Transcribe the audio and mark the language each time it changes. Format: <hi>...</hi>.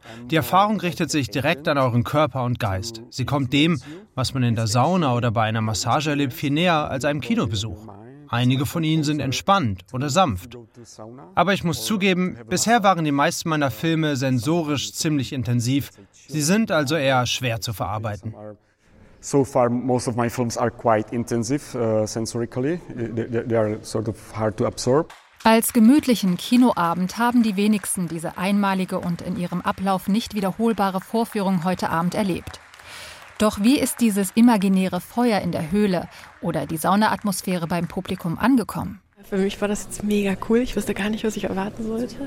<de>Die Erfahrung richtet sich direkt an euren Körper und Geist. Sie kommt dem, was man in der Sauna oder bei einer Massage erlebt, viel näher als einem Kinobesuch. Einige von ihnen sind entspannt oder sanft. Aber ich muss zugeben, bisher waren die meisten meiner Filme sensorisch ziemlich intensiv. Sie sind also eher schwer zu verarbeiten.</de> <en>So far most of my films are quite intensive sensorically. They are sort of hard to absorb.</en> <de>Als gemütlichen Kinoabend haben die wenigsten diese einmalige und in ihrem Ablauf nicht wiederholbare Vorführung heute Abend erlebt. Doch wie ist dieses imaginäre Feuer in der Höhle oder die Saunaatmosphäre beim Publikum angekommen? Für mich war das jetzt mega cool. Ich wusste gar nicht, was ich erwarten sollte.</de>